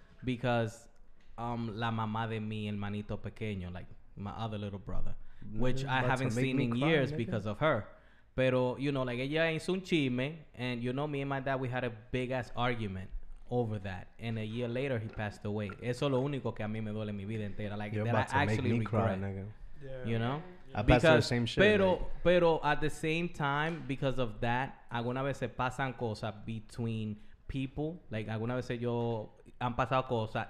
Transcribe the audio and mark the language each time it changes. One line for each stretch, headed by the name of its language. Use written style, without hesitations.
English: Because
Spanish: la mamá de mi hermanito pequeño,
English: like, my other little brother, which I haven't seen in years because of her. Pero, you know, like,
Spanish: ella es un chisme.
English: And, you know, me and my dad, we had a big-ass argument over that. And a year later, he passed away.
Spanish: Eso es lo único que a mí me duele en mi vida entera.
English: Like, you're that I actually regret. Cry, you know? Yeah. I passed the same shit. Pero, at the same time, because of that,
Spanish: alguna vez se pasan cosas
English: between people.
Spanish: Like, alguna vez yo han pasado cosas.